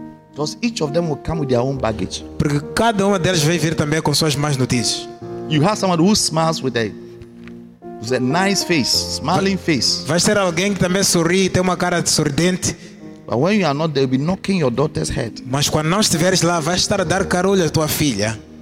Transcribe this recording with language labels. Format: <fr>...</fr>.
<en>Because each of them will come with their own baggage.</en> <pt>Porque cada uma delas vai vir também com suas más notícias.</pt> <en>You have someone who smiles with a nice face, smiling face.</en> <pt>Vai ser alguém que também sorri e tem uma cara de sorridente.</pt> <en>But when you are not, they'll be knocking your daughter's head.</en> <pt>Mas quando não estiveres lá, vais estar a dar carulho à tua filha.</pt>